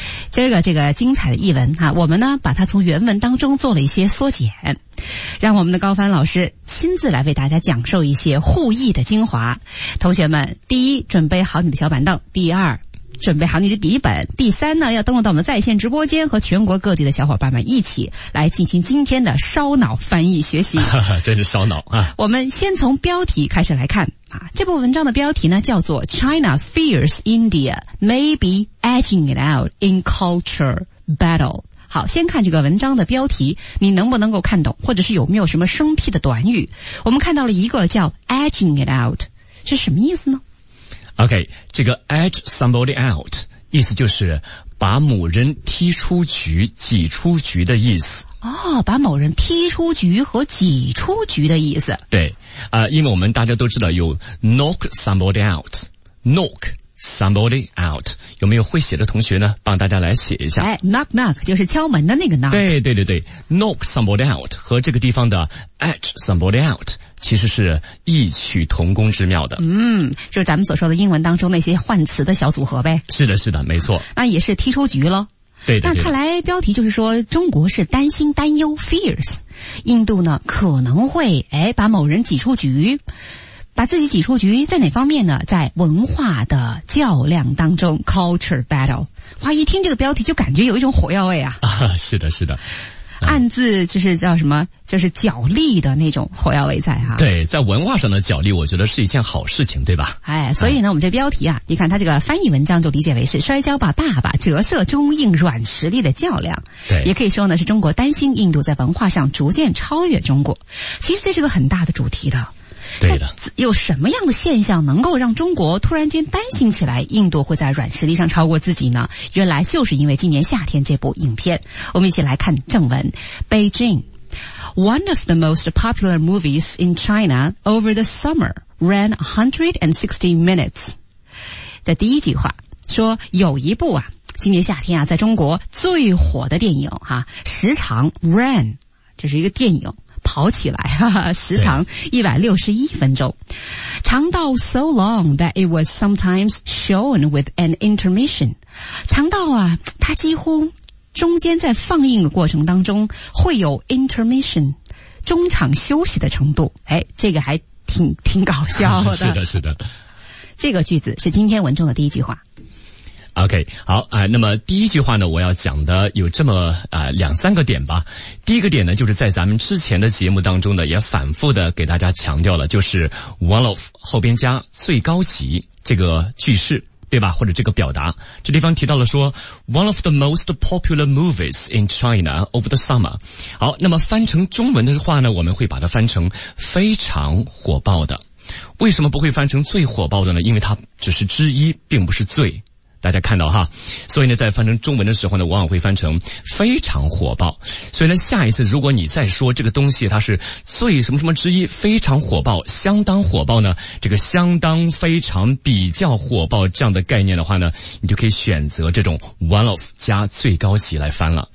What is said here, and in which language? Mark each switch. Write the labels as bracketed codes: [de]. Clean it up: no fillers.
[zh] 今儿个这个精彩的译文我们呢把它从原文当中做了一些缩减，让我们的高帆老师亲自来为大家讲授一些互译的精华。同学们，第一，准备好你的小板凳；第二，准备好你的笔记本；第三呢，要登录到我们在线直播间，和全国各地的小伙伴们一起来进行今天的烧脑翻译学习。真是烧脑我们先从标题开始来看这部文章的标题呢叫做 [en] China fears India may be edging it out in culture battle。 [zh] 好，先看这个文章的标题，你能不能够看懂，或者是有没有什么生僻的短语。我们看到了一个叫 [en] edging it out， [zh] 是什么意思呢？ OK， 这个 [en] edge somebody out [zh] 意思就是把某人踢出局、挤出局的意思。把某人踢出局和挤出局的意思。对，因为我们大家都知道有 [en] knock somebody out， knock somebody out， [zh] 有没有会写的同学呢？帮大家来写一下。 knock knock 就是敲门的那个 knock。对对对对 ， [en] knock somebody out [zh] 和这个地方的 [en] edge somebody out。 [zh] 其实是异曲同工之妙的。就是咱们所说的英文当中那些换词的小组合呗。是的是的，没错。那也是踢出局咯。对的。那看来标题就是说中国是担心担忧 fears， 印度呢可能会把某人挤出局。把自己挤出局在哪方面呢？在文化的较量当中， [en] culture battle。 [zh] 哇，一听这个标题就感觉有一种火药味是的是的。暗自就是叫什么，就是角力的那种火药味在对，在文化上的角力我觉得是一件好事情，对吧？所以呢我们这标题你看它这个翻译文章就理解为是摔跤吧爸爸折射中印软实力的较量。对，也可以说呢是中国担心印度在文化上逐渐超越中国。其实这是个很大的主题的。对的。有什么样的现象能够让中国突然间担心起来印度会在软实力上超过自己呢？原来就是因为今年夏天这部影片。我们一起来看正文。Beijing. [en] One of the most popular movies in China over the summer ran 160 minutes. [zh] 这第一句话说有一部今年夏天在中国最火的电影时长 ran， 就是一个电影跑起来时长161分钟，长到 [en] so long that it was sometimes shown with an intermission， [zh] 长到它几乎中间在放映的过程当中会有 intermission 中场休息的程度。这个还挺搞笑的。是的是的，这个句子是今天文中的第一句话。 OK， 好，那么第一句话呢，我要讲的有这么两三个点吧。第一个点呢，就是在咱们之前的节目当中呢，也反复的给大家强调了，就是 one of 后边加最高级这个句式，对吧？或者这个表达，这地方提到了说 [en] one of the most popular movies in China over the summer。 [zh] 好，那么翻成中文的话呢，我们会把它翻成非常火爆的。为什么不会翻成最火爆的呢？因为它只是之一，并不是最，大家看到哈。所以呢，在翻成中文的时候呢，往往会翻成非常火爆。所以呢，下一次如果你再说这个东西它是最什么什么之一，非常火爆，相当火爆呢，这个相当非常比较火爆这样的概念的话呢，你就可以选择这种 one of 加最高级来翻了。